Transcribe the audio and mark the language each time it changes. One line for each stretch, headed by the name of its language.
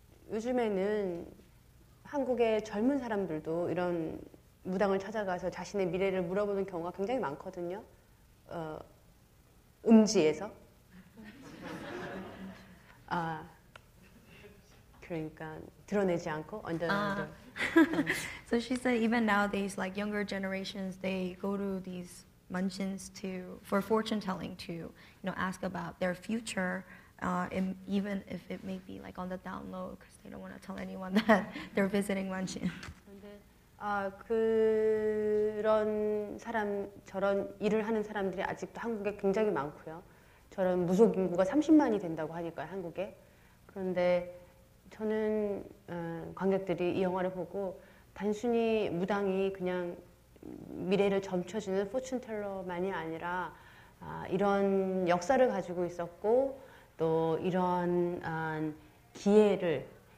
Korean: 요즘에는 한국의 젊은 사람들도 이런 무당을 찾아가서 자신의 미래를 물어보는 경우가 굉장히 많거든요. 음지에서. 그러니까 드러내지 않고 언더라도.
English: So she said even nowadays, like younger generations, they go to these Manshins to for fortune telling to, you know, ask about their future, even if it may be like on the down low, because they don't want to tell anyone that they're visiting Manshin.
Korean: 그런 사람 저런 일을 하는 사람들이 아직도 한국에 굉장히 많고요. 저런 무속 인구가 30만이 된다고 하니까 한국에. 그런데 저는 관객들이 이 영화를 보고 단순히 무당이 그냥 미래를 점쳐주는 포춘텔러만이 아니라 이런 역사를 가지고 있었고 또 이런 기회를